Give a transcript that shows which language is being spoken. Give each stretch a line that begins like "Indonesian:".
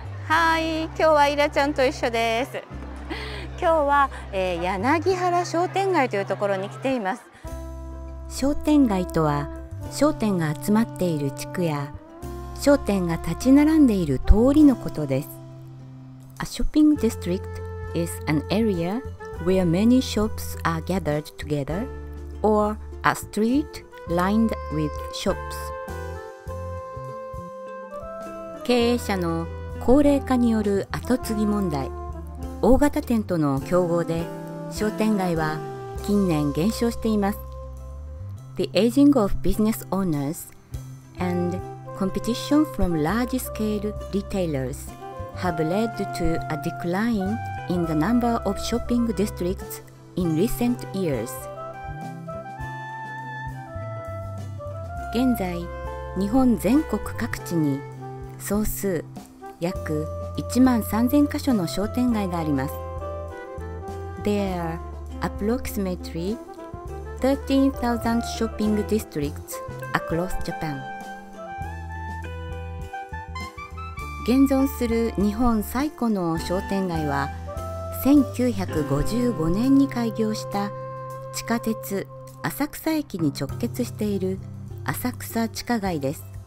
Japanese: はい、今日はイラちゃんと一緒です。今日は、柳原商店街というところに来ています。商店街とは、商店が集まっている地区や商店が立ち並んでいる通りのことです。
English: A shopping district is an area where many shops are gathered together or a street lined with shops。
Japanese: 経営者の高齢化による後継ぎ問題、大型店との競合で商店街は近年減少しています。
English: The aging of business owners andcompetition from large-scale retailers have led to a decline in the number of shopping districts in recent years.
Japanese: 現在、日本全国各地に総数約1万3000箇所の商店街があります。
English: There are approximately 13,000 shopping districts across Japan.
Japanese: 現存する日本最古の商店街は、1955年に開業した地下鉄浅草駅に直結している浅草地下街です。